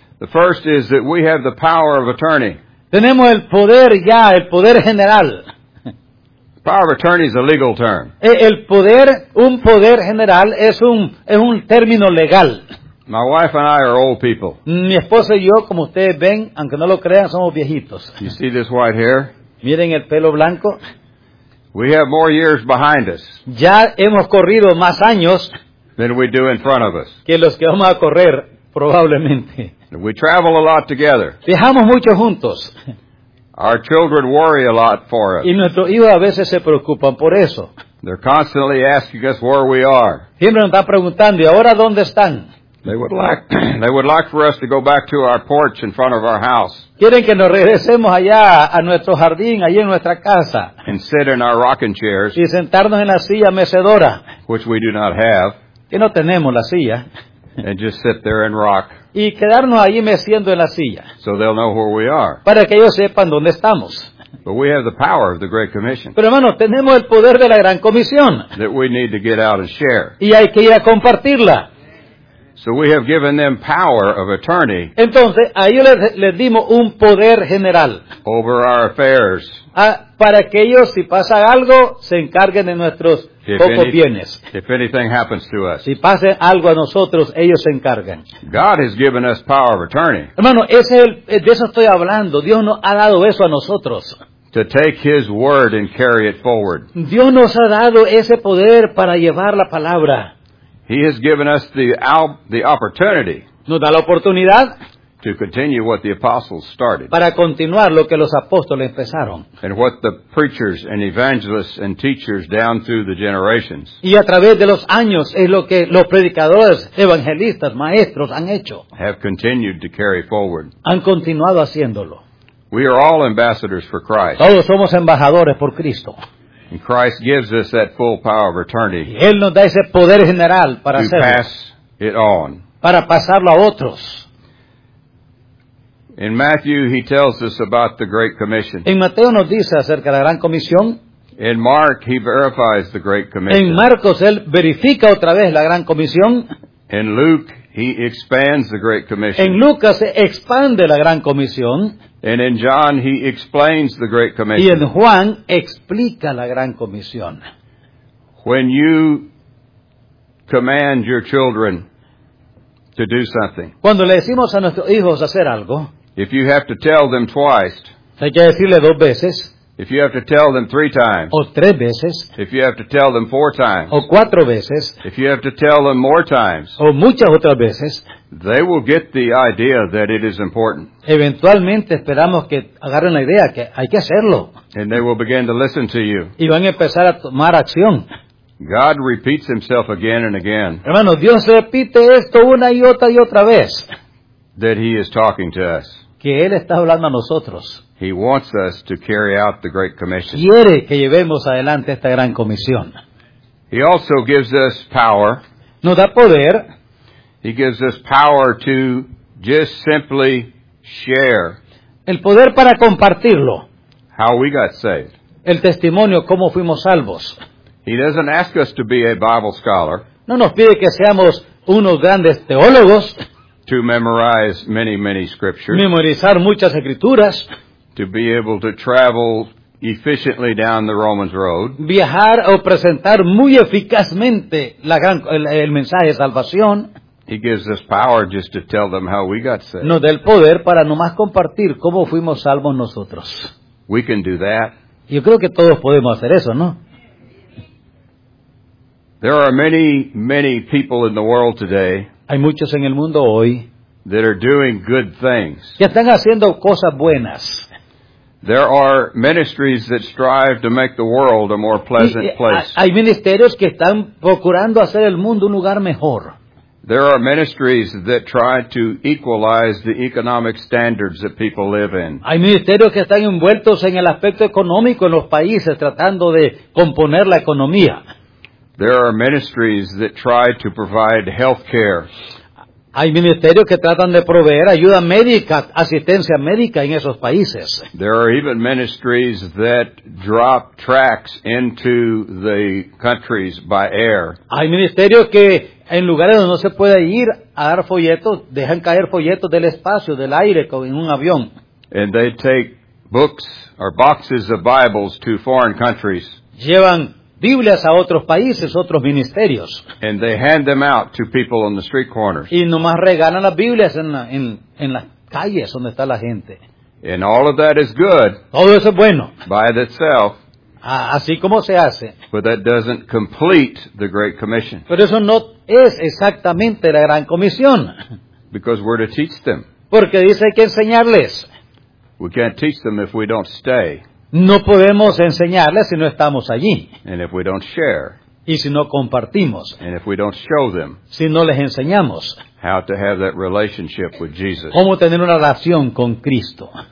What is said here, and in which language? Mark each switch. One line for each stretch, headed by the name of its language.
English: The first is that we have the power of attorney.
Spanish: Tenemos el poder ya, el poder general.
English: Power of attorney is a legal term.
Spanish: El poder, un poder general es un término legal.
English: My wife and I are old people.
Spanish: Mi esposa y yo, como ustedes ven, aunque no lo crean, somos viejitos.
English: You see this white hair?
Spanish: Miren el pelo blanco.
English: We have more years behind us.
Spanish: Ya hemos corrido más años
English: than we do in front of us.
Spanish: Que los que vamos a correr probablemente.
English: We travel a lot together.
Spanish: Viajamos mucho juntos.
English: Our children worry a lot for us.
Spanish: Y nuestros hijos a veces se preocupan por eso.
English: They're constantly asking us where we are.
Spanish: Siempre nos están preguntando, ¿y ahora dónde están?
English: They would like for us to go back to our porch in front of our house.
Spanish: Quieren que nos regresemos allá a nuestro jardín, allí en nuestra casa.
English: And sit in our rocking chairs.
Spanish: Y sentarnos en la silla mecedora.
English: Which we do not have.
Spanish: Que no tenemos la silla.
English: And just sit there and rock.
Spanish: Y quedarnos allí meciendo en la silla.
English: So they'll know where we are.
Spanish: Para que ellos sepan dónde estamos.
English: But we have the power of the Great Commission.
Spanish: Pero hermanos, tenemos el poder de la Gran Comisión.
English: That we need to get out and share.
Spanish: Y hay que ir a compartirla.
English: So we have given them power of attorney.
Spanish: Entonces, a ellos les dimos un poder general.
English: Over our affairs.
Spanish: Para que ellos, si pasa algo, se encarguen de nuestros pocos bienes.
English: If anything happens to us.
Spanish: Si pasa algo a nosotros, ellos se encargan.
English: God has given us power of attorney.
Spanish: Hermano, de eso estoy hablando. Dios nos ha dado eso a nosotros.
English: To take His word and carry it forward.
Spanish: Dios nos ha dado ese poder para llevar la palabra.
English: He has given us the opportunity.
Spanish: Nos da la oportunidad.
English: To continue what the apostles started.
Spanish: Para continuar lo que los apóstoles empezaron.
English: And what the preachers and evangelists and teachers down through the generations.
Spanish: Y a través de los años es lo que los predicadores, evangelistas, maestros han hecho.
English: Have continued to carry forward.
Spanish: Han continuado haciéndolo.
English: We are all ambassadors for Christ.
Spanish: Todos somos embajadores por Cristo.
English: And Christ gives us that full power of attorney.
Spanish: Y Él nos da ese poder general para hacerlo.
English: To pass it on.
Spanish: Para pasarlo a otros.
English: In Matthew, he tells us about the Great Commission.
Spanish: En Mateo nos dice acerca de la Gran Comisión.
English: In Mark, he verifies the Great Commission.
Spanish: En Marcos, él verifica otra vez la Gran Comisión.
English: In Luke, he expands the Great Commission.
Spanish: En Lucas, se expande la Gran Comisión.
English: And in John, he explains the Great Commission.
Spanish: Y en Juan, explica la Gran Comisión.
English: When you command your children to do something.
Spanish: Cuando le decimos a nuestros hijos hacer algo.
English: If you have to tell them twice.
Spanish: Hay que decirle dos veces.
English: If you have to tell them three times.
Spanish: O tres veces.
English: If you have to tell them four times.
Spanish: O cuatro veces.
English: If you have to tell them more times.
Spanish: O muchas otras veces.
English: They will get the idea that it is important.
Spanish: Eventualmente esperamos que agarren la idea que hay que hacerlo.
English: And they will begin to listen to you.
Spanish: Y van a empezar a tomar acción.
English: God repeats himself again and again.
Spanish: Hermano, Dios repite esto una y otra vez.
English: That he is talking to us.
Spanish: Que él está hablando a nosotros.
English: He wants us to carry out the Great Commission.
Spanish: Quiere que llevemos adelante esta gran comisión.
English: He also gives us power.
Spanish: Nos da poder.
English: He gives us power to just simply share.
Spanish: El poder para compartirlo.
English: How we got saved.
Spanish: El testimonio, cómo fuimos salvos.
English: He doesn't ask us to be a Bible scholar.
Spanish: No nos pide que seamos unos grandes teólogos.
English: To memorize many, many scriptures.
Spanish: Memorizar muchas escrituras.
English: To be able to travel efficiently down the Romans road.
Spanish: Viajar o presentar muy eficazmente el mensaje de salvación.
English: He gives us power just to tell them how we got saved.
Spanish: Nos da el poder para nomás compartir cómo fuimos salvos nosotros.
English: We can do that.
Spanish: Yo creo que todos podemos hacer eso, ¿no?
English: There are many, many people in the world today.
Spanish: Hay muchos en el mundo hoy.
English: That are doing good things.
Spanish: Que están haciendo cosas buenas.
English: There are ministries that strive to make the world a more pleasant place.
Spanish: Hay ministerios que están procurando hacer el mundo un lugar mejor.
English: There are ministries that try to equalize the economic standards that people live in.
Spanish: Hay ministerios que están envueltos en el aspecto económico en los países tratando de componer la economía.
English: There are ministries that try to provide health care.
Spanish: Hay ministerios que tratan de proveer ayuda médica, asistencia médica en esos países.
English: There are even ministries that drop tracts into the countries by air.
Spanish: Hay ministerios que en lugares donde no se puede ir a dar folletos, dejan caer folletos del espacio, del aire, como en un avión.
English: And they take books or boxes of Bibles to foreign countries.
Spanish: Llevan Biblias a otros países, otros ministerios.
English: And they hand them out to people on the street corners.
Spanish: Y nomás regalan las Biblias en las calles donde está la gente.
English: And all of that is good.
Spanish: Todo eso es bueno.
English: By itself.
Spanish: Así como se hace.
English: But that doesn't complete the Great Commission.
Spanish: Pero eso no es exactamente la Gran Comisión.
English: Because we're to teach them.
Spanish: Porque dice hay que enseñarles.
English: We can't teach them if we don't stay.
Spanish: No podemos enseñarles si no estamos allí.
English: And if we don't share.
Spanish: Y si no compartimos.
English: And if we don't show them.
Spanish: Si no les enseñamos.
English: How to have that relationship with Jesus.
Spanish: Cómo tener una relación con Cristo.